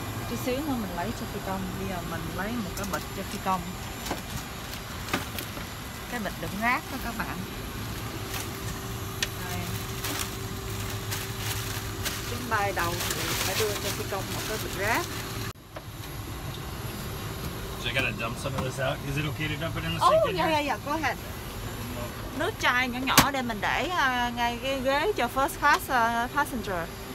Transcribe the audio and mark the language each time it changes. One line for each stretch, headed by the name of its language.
Vietnamese: Chút xíu nữa mình lấy cho phi công. Bây giờ mình lấy một cái bịch cho phi công. Cái bịch đựng rác đó các bạn. Đây. Chuyến bay đầu thì phải đưa cho phi công một cái bịch rác.
English: So I gotta dump some of this out. Is it okay to dump it in the sink? Oh, yeah, yeah, yeah, go ahead.
Vietnamese: Nước chai nhỏ nhỏ để mình để ngay cái ghế cho first class passenger.